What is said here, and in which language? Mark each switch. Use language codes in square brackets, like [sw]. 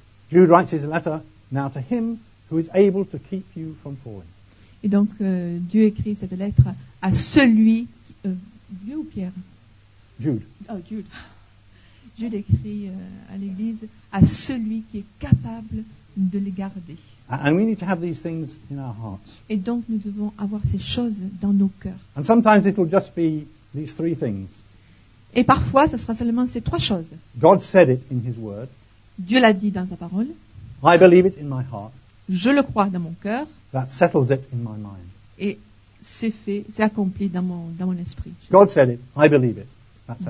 [en] Jude writes his letter now to him who is able to keep you from falling. [fr] Et donc Dieu écrit cette lettre à celui qui, Dieu ou Pierre? [en] Jude. Oh, Jude. [fr] Jude écrit à l'église à celui qui est capable de les garder. [en] And we need to have these things in our hearts. [fr] Et donc nous devons avoir ces choses dans nos cœurs. [en] And sometimes it will just be these three things. [fr] Et parfois ce sera seulement ces trois choses. [en] God said it in his word. [fr] Dieu l'a dit dans sa parole. [en] I believe it in my heart. [fr] Je le crois dans mon cœur. [en] That settles it in my mind. [fr] Et c'est fait, c'est accompli dans mon esprit. [en] God said it, I believe it.